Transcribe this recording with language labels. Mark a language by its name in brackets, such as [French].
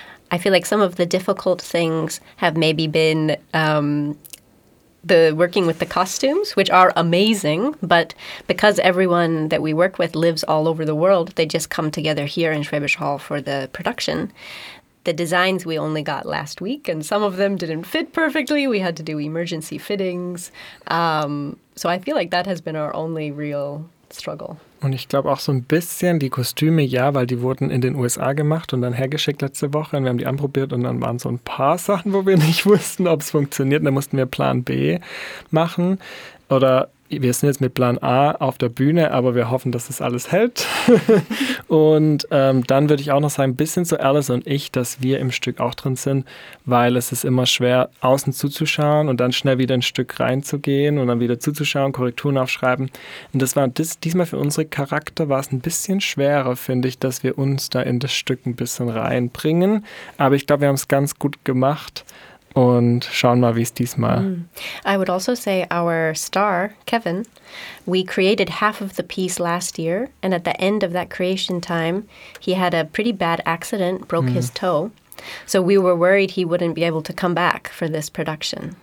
[English] I feel like some of the difficult things have maybe been the working with the costumes, which are amazing, but because everyone that we work with lives all over the world, they just come together here in Schwäbisch Hall for the production. The designs we only got last week, and some of them didn't fit perfectly. We had to do emergency fittings. So I feel like that has been our only real struggle. [German] Und ich glaube auch so ein bisschen die Kostüme, ja, weil die wurden in den USA gemacht und dann hergeschickt letzte Woche. Und wir haben die anprobiert und dann waren so ein paar Sachen, wo wir nicht wussten, ob es funktioniert. Und dann mussten wir Plan B machen. Oder wir sind jetzt mit Plan A auf der Bühne, aber wir hoffen, dass das alles hält. Und dann würde ich auch noch sagen, ein bisschen zu Alice und ich, dass wir im Stück auch drin sind, weil es ist immer schwer, außen zuzuschauen und dann schnell wieder ein Stück reinzugehen und dann wieder zuzuschauen, Korrekturen aufschreiben. Und das war diesmal für unsere Charakter war es ein bisschen schwerer, finde ich, dass wir uns da in das Stück ein bisschen reinbringen. Aber ich glaube, wir haben es ganz gut gemacht. Und schauen mal, wie es diesmal. [English] I would also say our star, Kevin, we created half of the piece last year. And at the end of that creation time, he had a pretty bad accident, broke his toe. So we were worried he wouldn't be able to come back for this production.